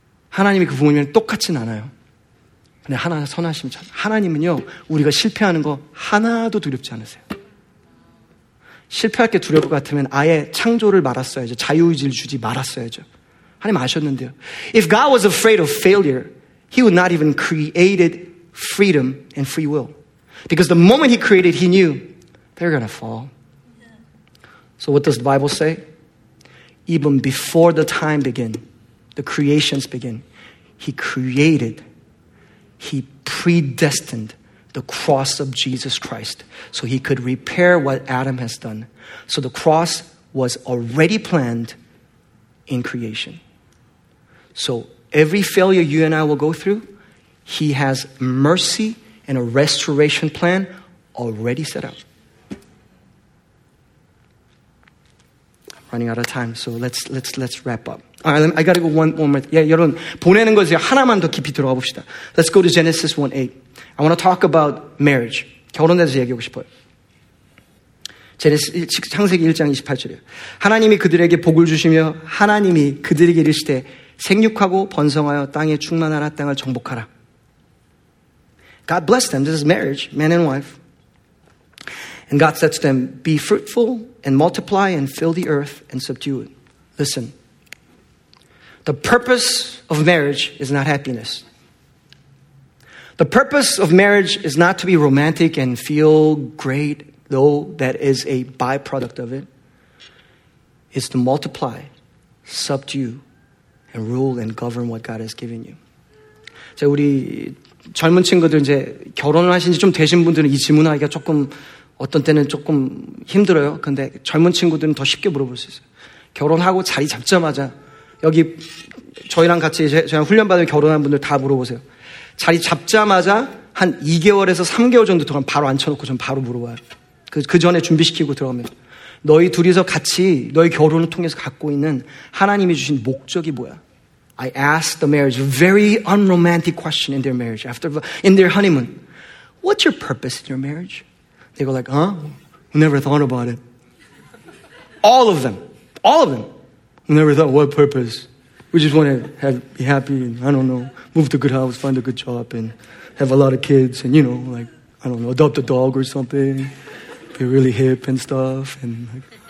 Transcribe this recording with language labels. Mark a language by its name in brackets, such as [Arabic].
[Korean] 하나님이 그 부모님이랑 똑같진 않아요. 근데 하나 선하시면 하나님은요 우리가 실패하는 거 하나도 두렵지 않으세요. 실패할 게 두려울 것 같으면 아예 창조를 말았어야죠. 자유의지를 주지 말았어야죠. 하나님 아셨는데요. [English] If God was afraid of failure, he would not even created freedom and free will. Because the moment he created, he knew they're going to fall. So what does the Bible say? Even before the time began, the creations began, he created, he predestined the cross of Jesus Christ so he could repair what Adam has done. So the cross was already planned in creation. So every failure you and I will go through, he has mercy and a restoration plan already set up. I'm running out of time, so let's wrap up. All right, I got to go one more. Yeah, [Korean] 여러분, 보내는 거지요. 하나만 더 깊이 들어가 봅시다. [English] Let's go to Genesis 1:8. I want to talk about marriage. [Korean] 결혼에 대해서 얘기하고 싶어요. 창세기 1장 28절이에요. 하나님이 그들에게 복을 주시며 하나님이 그들에게 이르시되 생육하고 번성하여 땅에 충만하라 땅을 정복하라. [English] God blessed them. This is marriage, man and wife. And God said to them, be fruitful and multiply and fill the earth and subdue it. Listen, the purpose of marriage is not happiness. The purpose of marriage is not to be romantic and feel great, though that is a byproduct of it. It's to multiply, subdue, and rule and govern what God has given you. [Korean] 자, 우리 젊은 친구들 이제 결혼을 하신 지 좀 되신 분들은 이 질문하기가 조금 어떤 때는 조금 힘들어요. 근데 젊은 친구들은 더 쉽게 물어볼 수 있어요. 결혼하고 자리 잡자마자 여기 저희랑 같이 저희랑 훈련받은 결혼한 분들 다 물어보세요. 자리 잡자마자 한 2개월에서 3개월 정도 동안 바로 앉혀놓고 전 바로 물어봐요. 그 전에 준비시키고 들어가면 너희 둘이서 같이 너희 결혼을 통해서 갖고 있는 하나님이 주신 목적이 뭐야? [English] I asked the marriage a very unromantic question in their marriage, after in their honeymoon. What's your purpose in your marriage? They go like, huh? Never thought about it. All of them. All of them. Never thought, what purpose? We just want to be happy and, I don't know, move to a good house, find a good job, and have a lot of kids, and, you know, like, I don't know, adopt a dog or something, be really hip and stuff, and like,